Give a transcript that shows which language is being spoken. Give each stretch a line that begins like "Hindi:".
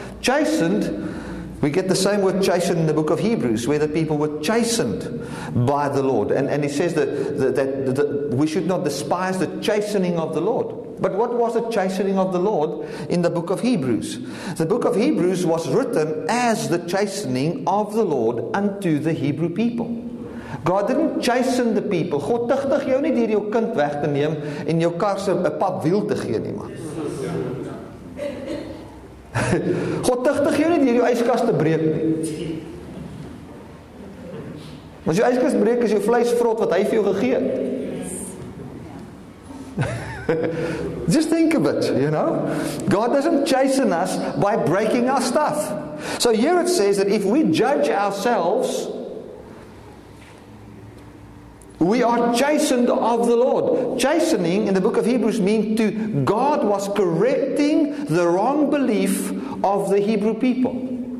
English: Chastened, we get the same word chastened in the book of Hebrews, where the people were chastened by the Lord. And it says that we should not despise the chastening of the Lord. But what was the chastening of the Lord in the book of Hebrews? The book of Hebrews was written as the chastening of the Lord unto the Hebrew people. God didn't chasten the people.
Afrikaans: God tugtig jou nie deur jou kind weg te neem en jou kar se 'n pap wiel te gee nie, man. God tugtig jou nie deur jou yskas te breek nie. As jou yskas breek, is jou vleis vrot wat hy vir jou gegee het.
English: Just think of it, you know. God doesn't chasten us by breaking our stuff. So here it says that if we judge ourselves, we are chastened of the Lord. Chastening in the book of Hebrews means to God was correcting the wrong belief of the Hebrew people.